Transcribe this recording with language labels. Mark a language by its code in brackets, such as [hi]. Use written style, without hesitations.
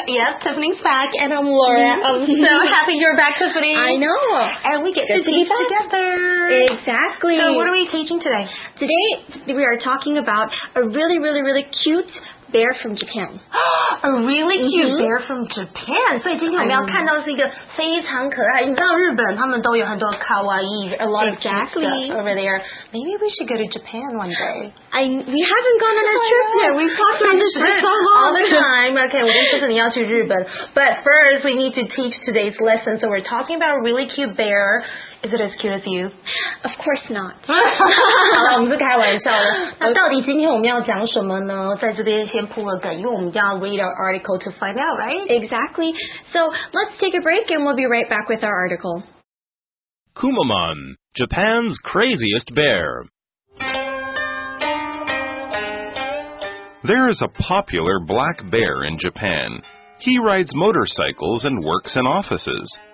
[en] Yep, Tiffany's back, and I'm Laura. I'm so happy you're back, Tiffany. I know! And we get to teach together! Exactly! So what are we teaching today? Today, we are talking about a really, really, really cute bear from Japan. A really cute bear from Japan! [zh] 所以今天我们要看到是一个非常可爱。你知道日本他们都有很多卡哇伊, [en] a lot of exactly. cute stuff over there. Maybe we should go to Japan one day. We haven't gone on a trip yet. We've talked on this trip all the time. [zh] Okay, 我们就是你要去日本。 [en] But first, we need to teach today's lesson. So we're talking about a really cute bear. Is it as cute as you? Of course not. [zh] 好了，我们是开玩笑的。那到底今天我们要讲什么呢？在这边先铺个梗，因为我们要 [en] read our article to find out, right? Exactly. So let's take a break and we'll be right back with our article. Kumamon, Japan's craziest bear. There is a popular black bear in Japan. He rides motorcycles and works in offices.